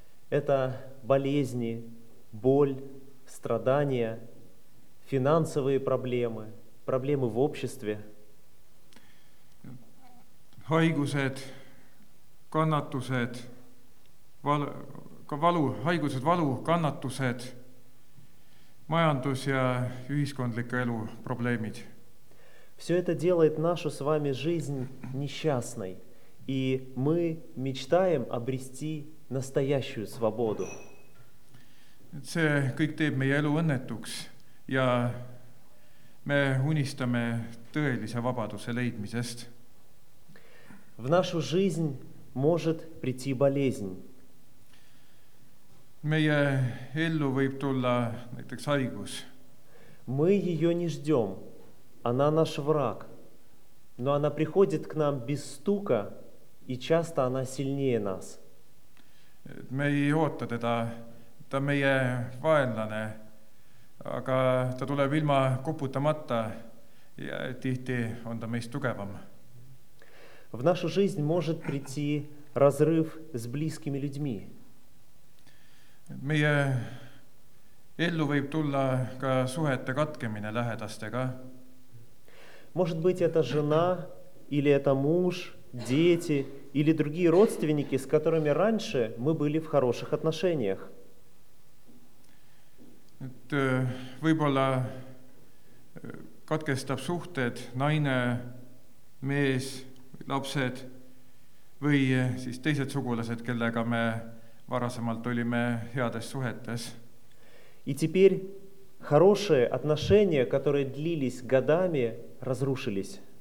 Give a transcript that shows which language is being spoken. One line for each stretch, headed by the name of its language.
Russian: Это болезни, боль, страдания, финансовые проблемы, проблемы в обществе.
Estonian: Haigused, kannatused, valu, kannatused, majandus ja ühiskondlike elu probleemid.
Russian: Все это делает нашу с вами жизнь несчастной, И мы мечтаем обрести настоящую свободу.
Estonian: See kõik teeb meie elu õnnetuks ja me unistame tõelise vabaduse leidmisest.
Russian: В нашу жизнь может прийти болезнь.
Estonian: Meie ellu võib tulla näiteks haigus.
Russian: Мы ее не ждем. Она наш враг. Но она приходит к нам без стука, и часто она сильнее нас.
Estonian: Me ei oota teda. Ta meie vaenlane, aga ta tuleb ilma koputamata ja tihti on ta meist tugevam.
Russian: В нашу жизнь может прийти разрыв с близкими людьми.
Estonian: Meie ellu võib tulla ka suhete katkemine lähedastega.
Russian: Может быть, это жена, или это муж, дети, или другие родственники, с которыми раньше мы были в хороших отношениях.
Estonian: Et võib-olla katkestab suhted naine, mees, lapsed või siis teised sugulased, kellega me varasemalt olime heades suhetes.
Russian: И теперь хорошие отношения, которые длились годами, разрушились.